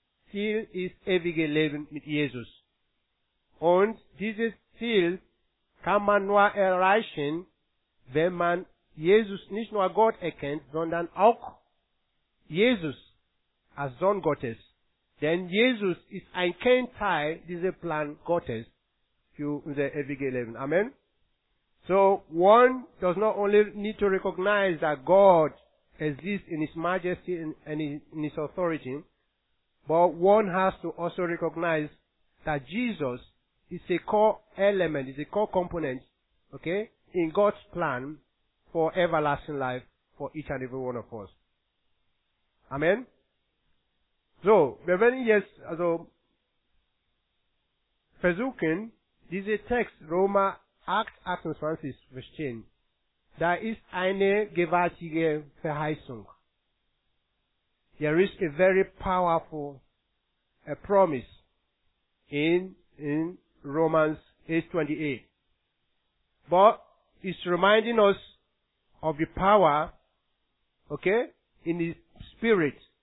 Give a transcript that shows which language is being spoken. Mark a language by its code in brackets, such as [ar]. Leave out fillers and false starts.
[de] Ziel ist ewiges Leben mit Jesus. Und dieses Ziel kann man nur erreichen, wenn man Jesus nicht nur Gott erkennt, sondern auch Jesus als Sohn Gottes. Denn Jesus ist ein Kernteil dieses Plan Gottes für unser ewiges Leben. Amen. [en] So, one does not only need to recognize that God exists in His majesty and in His authority, but one has to also recognize that Jesus is a core element, is a core component, okay, in God's plan for everlasting life for each and every one of us. Amen? [de] So, wir werden jetzt also versuchen, diese Text, Römer 8, 28, verstehen. Da ist eine gewaltige Verheißung. [en] There is a very powerful a promise in Romans 8:28. But it's reminding us of the power, okay, in the spirit.